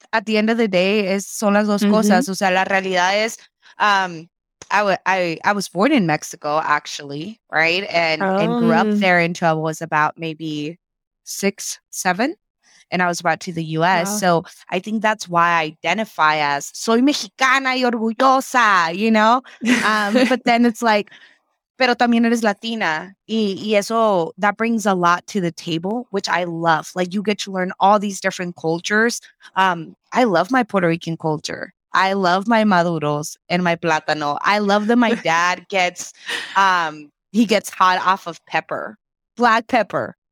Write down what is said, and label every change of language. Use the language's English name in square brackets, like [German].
[English] At the end of the day, [Spanish] son las dos cosas. O sea, la realidad es, [English] I was born in Mexico, actually, right? And grew up there until I was about maybe 6, 7. And I was brought to the U.S. Wow. So I think that's why I identify as [Spanish] soy mexicana y orgullosa, [English] you know? but then it's like, [Spanish] pero también eres Latina. Y eso, [English] that brings a lot to the table, which I love. Like, you get to learn all these different cultures. I love my Puerto Rican culture. I love my maduros and my plátano. I love that my dad gets, he gets hot off of pepper. Black pepper.